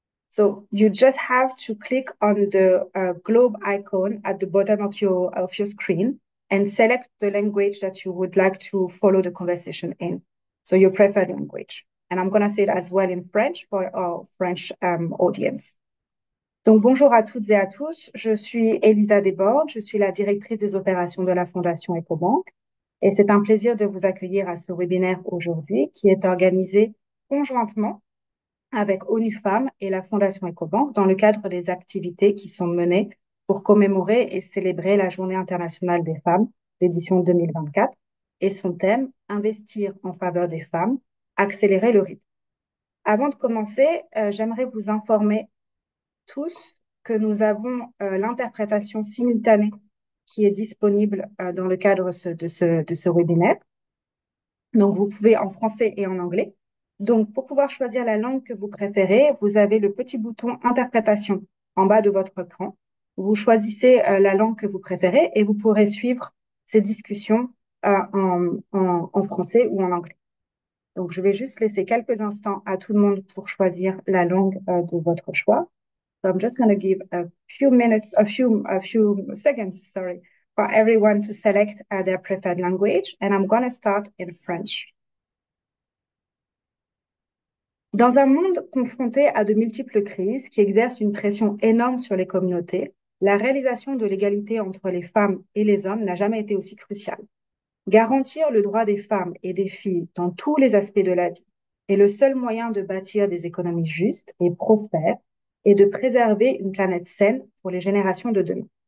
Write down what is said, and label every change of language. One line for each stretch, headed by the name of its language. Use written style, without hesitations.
English: So you just have to click on the globe icon at the bottom of your screen and select the language that you would like to follow the conversation in, so your preferred language. And I'm going to say it as well in French for our French audience.
French: Donc bonjour à toutes et à tous. Je suis Elisa Desbordes. Je suis la directrice des opérations de la Fondation Ecobank. Et c'est un plaisir de vous accueillir à ce webinaire aujourd'hui qui est organisé conjointement avec ONU Femmes et la Fondation Ecobank dans le cadre des activités qui sont menées pour commémorer et célébrer la Journée internationale des femmes, l'édition 2024, et son thème, Investir en faveur des femmes, accélérer le rythme. Avant de commencer, j'aimerais vous informer tous que nous avons l'interprétation simultanée qui est disponible dans le cadre de ce webinaire. Donc, vous pouvez en français et en anglais. Donc, pour pouvoir choisir la langue que vous préférez, vous avez le petit bouton Interprétation en bas de votre écran. Vous choisissez la langue que vous préférez et vous pourrez suivre ces discussions en français ou en anglais. Donc, je vais juste laisser quelques instants à tout le monde pour choisir la langue de votre choix.
English: So I'm just going to give a few seconds, sorry, for everyone to select their preferred language, and I'm going to start in French.
French: Dans un monde confronté à de multiples crises qui exercent une pression énorme sur les communautés, la réalisation de l'égalité entre les femmes et les hommes n'a jamais été aussi cruciale. Garantir le droit des femmes et des filles dans tous les aspects de la vie est le seul moyen de bâtir des économies justes et prospères et de préserver une planète saine pour les générations de demain.